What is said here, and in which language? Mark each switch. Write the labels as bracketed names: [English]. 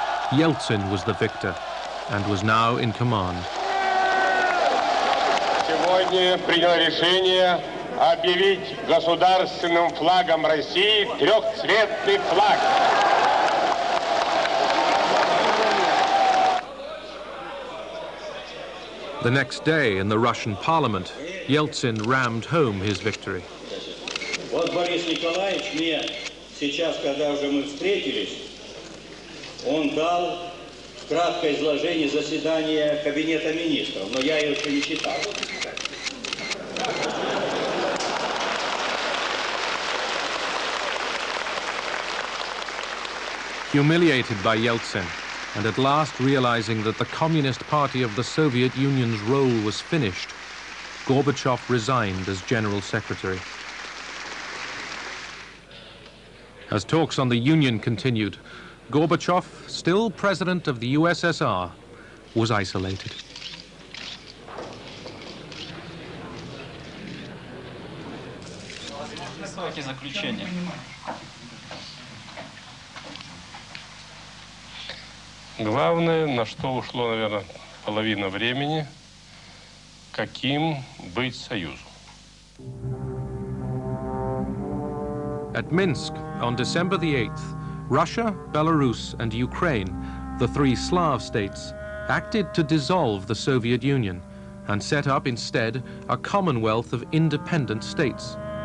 [English] Yeltsin was the victor and was now in command. [Russian] сегодня принял решение объявить государственным флагом России трехцветный флаг. [English] The next day in the Russian parliament, Yeltsin rammed home his victory. [Russian] Вот Борис Николаевич мне сейчас, когда уже мы встретились, он дал краткое изложение заседания кабинета министров, но я его еще не читал. [English] Humiliated by Yeltsin, and at last realizing that the Communist Party of the Soviet Union's role was finished, Gorbachev resigned as General Secretary. As talks on the Union continued, Gorbachev, still President of the USSR, was isolated. [Russian] Главное, на что ушло, наверное, половина времени, каким быть союзом. [English] At Minsk, on December the 8th, Russia, Belarus, and Ukraine, the three Slav states, acted to dissolve the Soviet Union and set up instead a commonwealth of independent states.